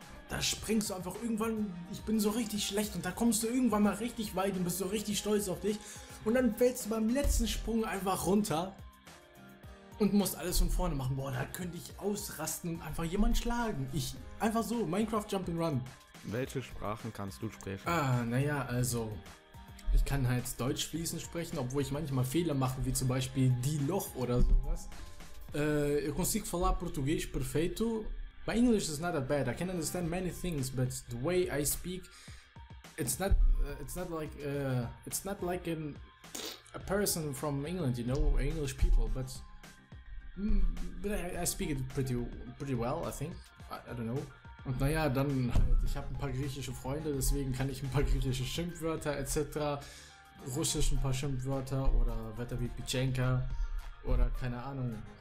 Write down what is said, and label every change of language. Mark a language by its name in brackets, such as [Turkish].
[German] Da springst du einfach irgendwann, ich bin so richtig schlecht, und da kommst du irgendwann mal richtig weit und bist so richtig stolz auf dich, und dann fällst du beim letzten Sprung einfach runter und musst alles von vorne machen. Boah, da könnte ich ausrasten und einfach jemanden schlagen. Ich, einfach so, Minecraft Jump'n'Run. Welche Sprachen kannst du sprechen? Ah, naja, also ich kann halt Deutsch fließend sprechen, obwohl ich manchmal Fehler mache, wie zum Beispiel die Loch oder sowas. [Portuguese] Eu consigo falar português perfeito. [English] My English is not that bad. I can understand many things, but the way I speak, it's not like a person from England, you know, English people. But I speak it pretty well, I think. I don't know. [German] Und naja, dann halt, ich habe ein paar griechische Freunde, deswegen kann ich ein paar griechische Schimpfwörter etc. Russisch ein paar Schimpfwörter oder Wetter wie Pichenka oder keine Ahnung.